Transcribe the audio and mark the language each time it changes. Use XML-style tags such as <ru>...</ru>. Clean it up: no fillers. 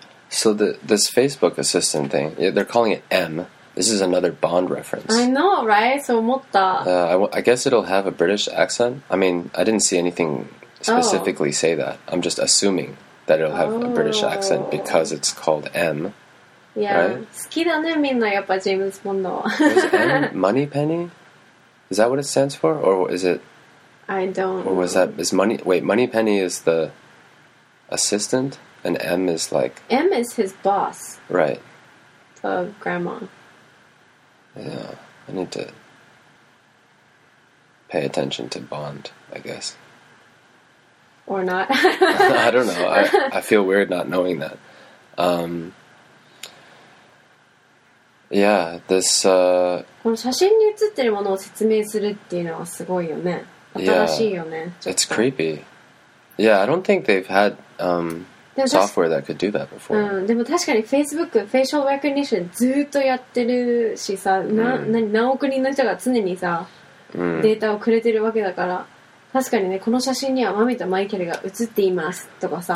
<en>So the this Facebook assistant thing, yeah, they're calling it M. This is another Bond reference. I know, right? So motta. I guess it'll have a British accent. I mean, I didn't see anything specifically say that. I'm just assuming that it'll have a British accent because it's called M. Yeah. Right?</en> <ja>好きだね、みんなやっぱジェームズ・ボンドは。</ja> <en>Is M Money Penny? Is that what it stands for? Or is it... I don't know. Or was that... Is Money... Wait, Money Penny is the assistant? And M is like... M is his boss. Right. The grandma. Yeah. I need to pay attention to Bond, I guess. Or not. I don't know. I feel weird not knowing that. Yeah, this...</en> <ja>この写真に写ってるものを説明するっていうのはすごいよね。新しいよね。</ja> <en>Yeah, it's creepy. Yeah, I don't think they've had software that could do that before.</en> <ja>うん、でも確かに Facebook、Facial Recognition ずっとやってるしさ、何億人の人が常にさ、データをくれてるわけだから、確かにね、この写真にはマミとマイケルが写っていますとかさ、</ja>